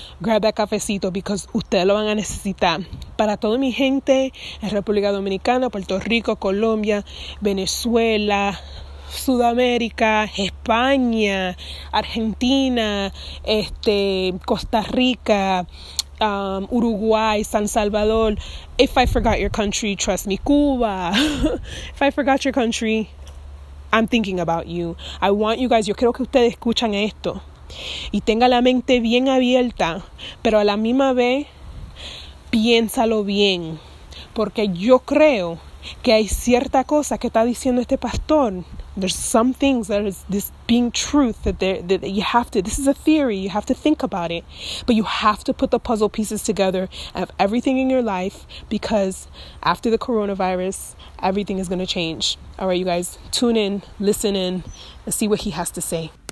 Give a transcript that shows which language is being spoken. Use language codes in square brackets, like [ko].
[en] Grab that cafecito, because [es] ustedes lo van a necesitar. Para toda mi gente en República Dominicana, Puerto Rico, Colombia, Venezuela, Sudamérica, España, Argentina, Costa Rica, Uruguay, San Salvador. [en] If I forgot your country, trust me, Cuba. If I forgot your country, I'm thinking about you. I want you guys, [es] yo quiero que ustedes escuchen esto y tenga la mente bien abierta, pero a la misma vez, piénsalo bien. Porque yo creo que hay cierta cosa que está diciendo este pastor. [en] There's some things that is this being truth that you have to, this is a theory, you have to think about it, but you have to put the puzzle pieces together of everything in your life, because after the coronavirus, everything is going to change. All right, you guys, tune in, listen in, and see what he has to say.